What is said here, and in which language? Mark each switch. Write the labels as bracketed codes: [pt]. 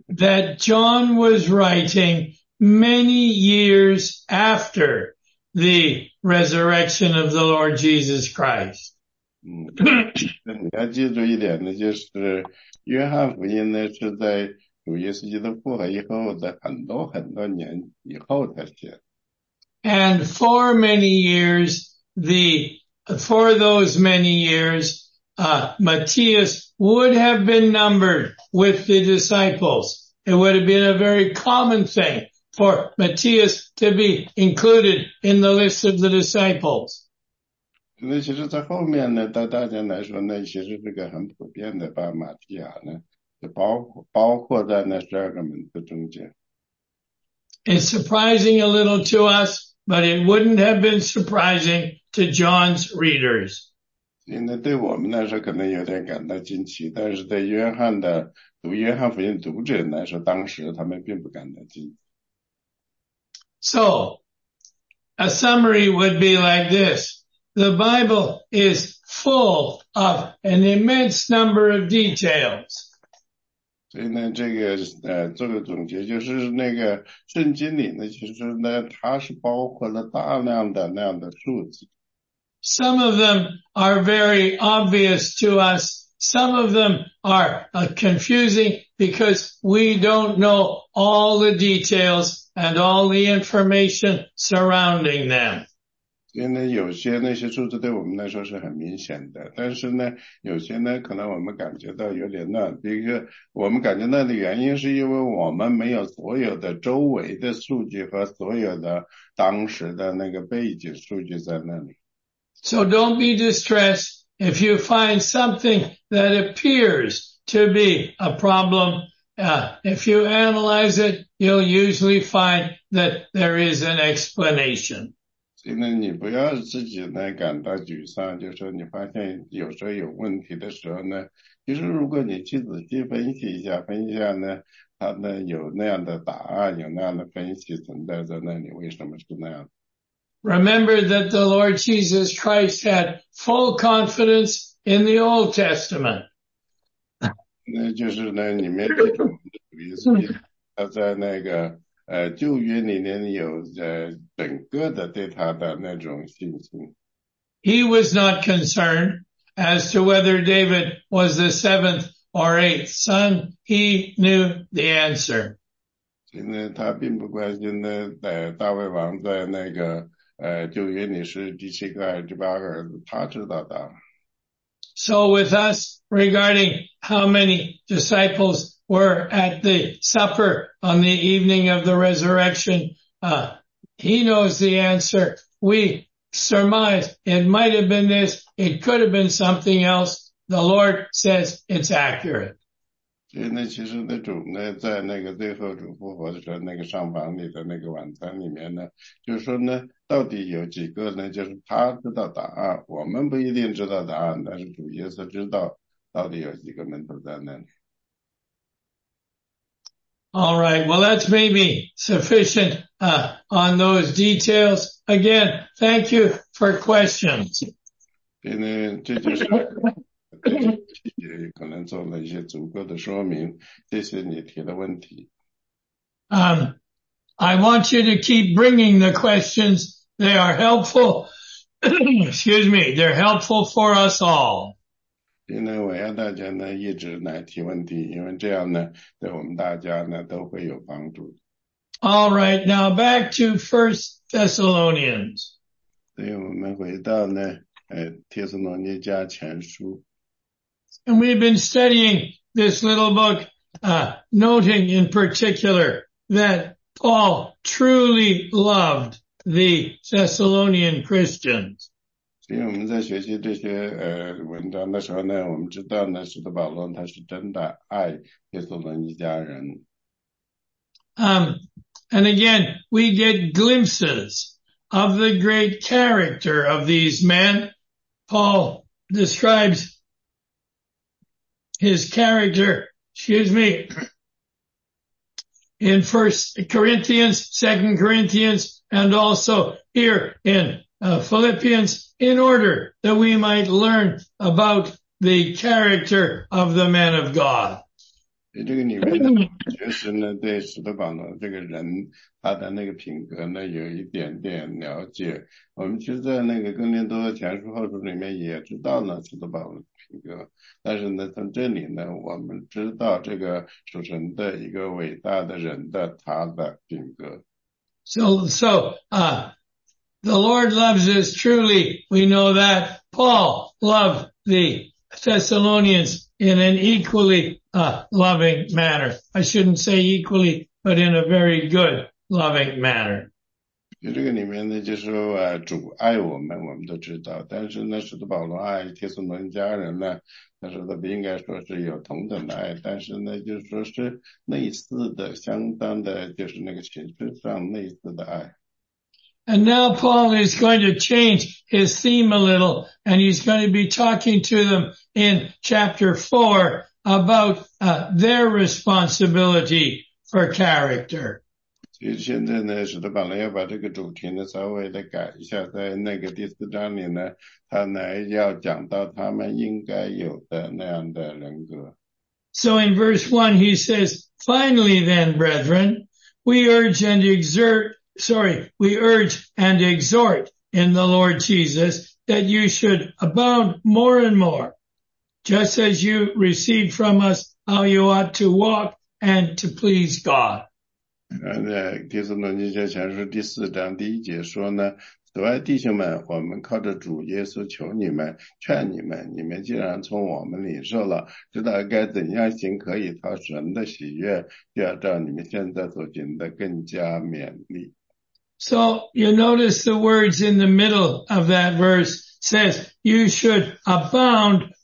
[en] that John was writing many years after the resurrection of the Lord Jesus Christ. [zh] 你要记住一点，那就是约翰福音呢是在。主耶稣基督复活以后的很多很多年以后才写。 [en] And for many years, the for those many years, Matthias would have been numbered with the disciples. It would have been a very common thing for Matthias to be included in the list of the disciples. [zh] 那其实，在后面呢，对大家来说呢，其实是个很普遍的，把马提亚呢。包括在那12个门徒中间。 [en] It's surprising a little to us. But it wouldn't have been surprising to John's readers. [zh] 现在对我们来说可能有点感到惊奇，但是对约翰的读约翰福音读者来说，当时他们并不感到惊奇。 [en] So, a summary would be like this. The Bible is full of an immense number of details. [zh] 所以呢，这个总结就是那个圣经里呢，其实呢，它是包括了大量的那样的数字。 [en] Some of them are very obvious to us. Some of them are confusing because we don't know all the details and all the information surrounding them. [zh] 因为有些那些数字对我们来说是很明显的，但是呢，有些呢可能我们感觉到有点乱。比如说，我们感觉乱的原因是因为我们没有所有的周围的数据和所有的当时的那个背景数据在那里。 [en] So don't be distressed if you find something that appears to be a problem. If you analyze it, you'll usually find that there is an explanation. [zh] 所以呢，你不要自己呢感到沮丧，就是说你发现有时候有问题的时候呢，其实如果你去仔细分析一下呢，它呢有那样的答案，有那样的分析存在在那里，为什么是那样？ [en] Remember that the Lord Jesus Christ had full confidence in the Old Testament. [zh] 那就是呢，你没记住我们的主耶稣基督，他在那个。旧约里面有整个的对他的那种信心。 [en] He was not concerned as to whether David was the seventh or eighth son. He knew the answer. [zh] 现在他并不关心呢，大卫王在那个旧约里是第七个还是第八个儿子，他知道的。 [en] So with us, regarding how many disciples were at the supper on the evening of the resurrection, he knows the answer. We surmise it might have been this, it could have been something else. The Lord says it's accurate. [zh] 所以呢，其实那主呢，在那个最后主复活的时候，那个上房里的那个晚餐里面呢，就是说呢，到底有几个呢？就是他知道答案，我们不一定知道答案，但是主耶稣知道到底有几个门徒在那里。 [en] All right, well, that's maybe sufficient on those details. Again, thank you for questions. [zh] 今天这就是也可能做了一些足够的说明，这是你提的问题。 [en] I want you to keep bringing the questions. They are helpful. Excuse me. They're helpful for us all. [zh] 因为我要大家呢一直来提问题，因为这样呢对我们大家呢都会有帮助。 [en] All right, now back to 1 Thessalonians. [zh] 所以我们回到呢帖撒罗尼迦前书。 [en] And we've been studying this little book, noting in particular that Paul truly loved the Thessalonian Christians. [zh] 所以我们在学习这些文章的时候呢，我们知道呢，使徒保罗他是真的爱帖撒罗尼迦人。 [en] And again, we get glimpses of the great character of these men. Paul describes his character, in 1 Corinthians, 2 Corinthians, and also here in Philippians, in order that we might learn about the character of the man of God. [zh] 这个里面呢确实呢对使徒保罗这个人他的那个品格呢有一点点了解。我们其实在那个更林多前书后书里面也知道呢使徒保罗的品格。但是呢从这里呢我们知道这个属神的一个伟大的人的他的品格。 [en] So, the Lord loves us truly. We know that Paul loved the Thessalonians in an equallyloving manner. I shouldn't say equally, but in a very good, loving manner. [zh] 这个里面呢就是主爱我们我们都知道但是呢使徒保罗爱帖撒罗尼迦人呢他说他不应该说是有同等的爱但是呢就是说是类似的相当的就是那个形式上类似的爱。 [en] And now Paul is going to change his theme a little, and he's going to be talking to them in chapter 4. About their responsibility for character. [zh] 其实现在呢，使徒保罗要把这个主题呢稍微的改一下，在那个第四章里呢，他呢要讲到他们应该有的那样的人格。 [en] So in verse 1, he says, "Finally, then, brethren, we urge and exhort in the Lord Jesus that you should abound more and more." Just as you received from us how you ought to walk and to please God. [zh] 帖撒罗尼迦前书第四章第一节说呢，此外弟兄们，我们靠着主耶稣求你们，劝你们，你们既然从我们领受了，知道该怎样行可以讨神的喜悦，就要照你们现在所行的更加勉励。 [en] So you notice the words in the middle of that verse says, you should abound.